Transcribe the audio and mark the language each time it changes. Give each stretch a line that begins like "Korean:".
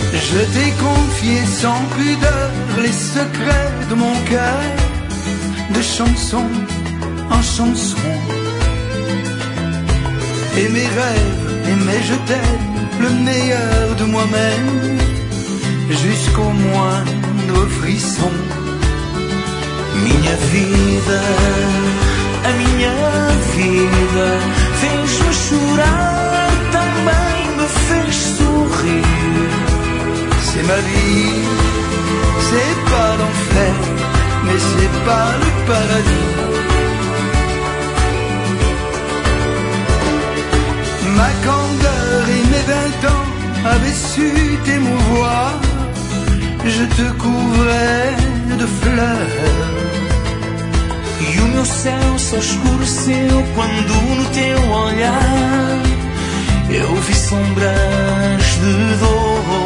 French: Je t'ai confié sans pudeur les secrets de mon cœur, de chanson en chanson, et mes rêves et mes je t'aime, le meilleur de moi-même, jusqu'au moindre frisson.
Portuguese: Minha vida, a minha vida, fez-me chorar, também me fez sorrir.
French: C'est ma vie, c'est pas l'enfer, mais c'est pas le paradis. Ma candeur et mes 20 ans avaient su t'émouvoir. Je te couvrais de fleurs.
Portuguese: E o meu céu se escureceu quando no teu olhar eu vi sombras de dor.